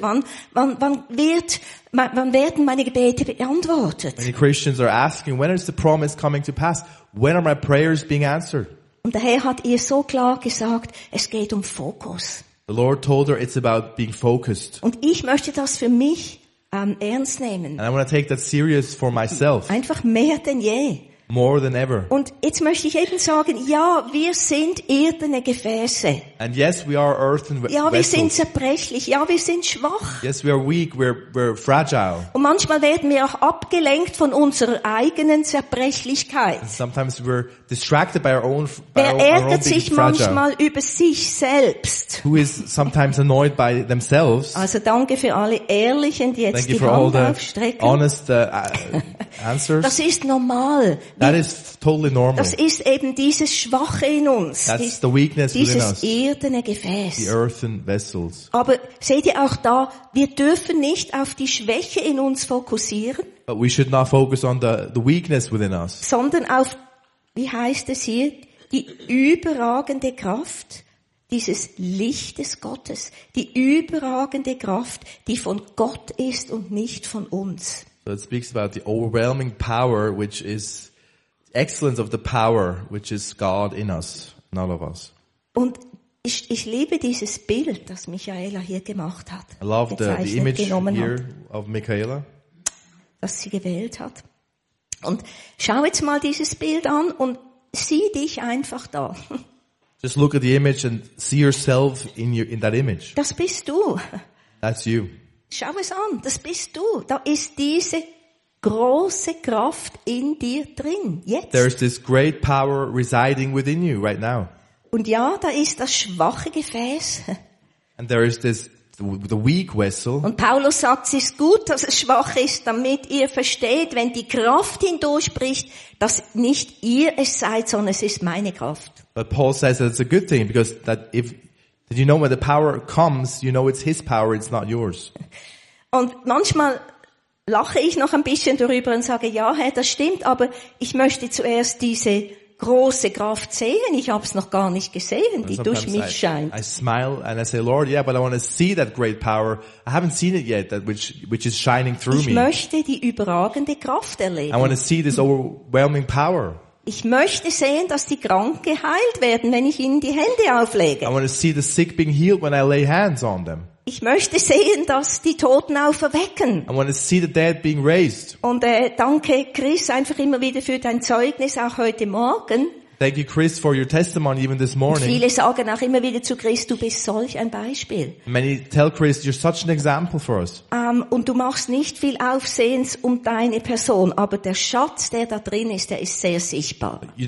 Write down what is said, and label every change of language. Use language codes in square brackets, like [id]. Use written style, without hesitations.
[de] Wann werden meine Gebete beantwortet? [en] Many Christians are asking, when is the promise coming to pass? When are my prayers being answered? [de] Und der Herr hat ihr so klar gesagt, es geht um Fokus. [en] The Lord told her it's about being focused. [de] Und ich möchte das für mich ernst nehmen. [en] And I want to take that serious for myself. [de] Einfach mehr denn je. [en] More than ever. [de] Und jetzt möchte ich eben sagen, ja, wir sind irdene Gefäße. [en] And yes, we are earthen [de] vessels. Ja, wir sind zerbrechlich. Ja, wir sind schwach. [en] Yes, we are weak. We're fragile. [de] Und manchmal werden wir auch abgelenkt von unserer eigenen Zerbrechlichkeit. [en] And sometimes we're distracted by our own [de] Wer ärgert sich manchmal über sich selbst? [en] Who is sometimes annoyed by themselves? [de] Also danke für alle Ehrlichen, die jetzt die Hand aufstrecken. [en] Honest answers. [de] Das ist normal. [en] That is totally normal. [de] Das ist eben dieses Schwache in uns. [en] That's the weakness within us. [de] Dieses irdene Gefäß. [en] The earthen vessels. [de] Aber seht ihr auch da, wir dürfen nicht auf die Schwäche in uns fokussieren. [en] But we should not focus on the weakness within us. [de] Sondern auf, wie heißt es hier, die überragende Kraft dieses Lichtes Gottes. Die überragende Kraft, die von Gott ist und nicht von uns. [en] So it speaks about the overwhelming power, which is the excellence of the power, which is God in us, not of us. [de] Und ich liebe dieses Bild, das Michaela hier gemacht hat. [en] I love the image here of Michaela. [de] Das sie gewählt hat. Und schau jetzt mal dieses Bild an und sieh dich einfach da. [en] Just look at the image and see yourself in that image. [de] Das bist du. [en] That's you. [de] Schau es an, das bist du. Da ist diese große Kraft in dir drin, jetzt. [en] There is this great power residing within you right now. [de] Und ja, da ist das schwache Gefäß. [en] And there is this the weak vessel. [de] Und Paulus sagt, es ist gut, dass es schwach ist, damit ihr versteht, wenn die Kraft hindurchbricht, dass nicht ihr es seid, sondern es ist meine Kraft. [en] But Paul says that it's a good thing, because that if Did you know when the power comes, you know it's his power, it's not yours. [de] Und manchmal lache ich noch ein bisschen darüber und sage, ja, Herr, das stimmt, aber ich möchte zuerst diese große Kraft sehen. Ich habe es noch gar nicht gesehen, die durch mich scheint. [en] I smile and I say, Lord, yeah, but I want to see that great power. I haven't seen it yet, that which is shining through [de] me. Ich möchte die überragende Kraft erleben. [en] I want to see this overwhelming power. [de] Ich möchte sehen, dass die Kranken geheilt werden, wenn ich ihnen die Hände auflege. [en] I want to see the sick being healed when I lay hands on them. [de] Ich möchte sehen, dass die Toten auferwecken. [en] I want to see the dead being raised. [de] Und danke Chris einfach immer wieder für dein Zeugnis auch heute Morgen. [en] Thank you Chris for your testimony even this morning. [de] Viele sagen auch immer wieder zu Chris, du bist solch ein Beispiel. [en] Many tell Chris, you're such an example for us. [de] Und du machst nicht viel Aufsehens um deine Person, aber der Schatz, der da drin ist, der ist sehr sichtbar.